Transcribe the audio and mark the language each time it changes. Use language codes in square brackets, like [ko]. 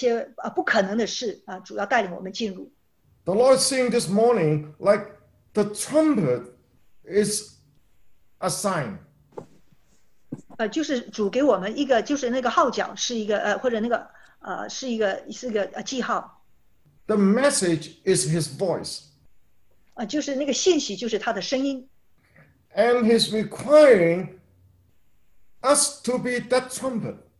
[zh] 所以我愿意呢，在一边讲呢，邀请大家在灵里跟我相信来祷告，一些不可能的事啊，主要带领我们进入。 [en] The Lord is saying this morning, like the trumpet is a sign. [zh] 就是主给我们一个，就是那个号角是一个，或者那个是一个记号。 [en] The message is His voice. [zh] 就是那个信息，就是他的声音。And [en] he's requiring us to be that trumpet.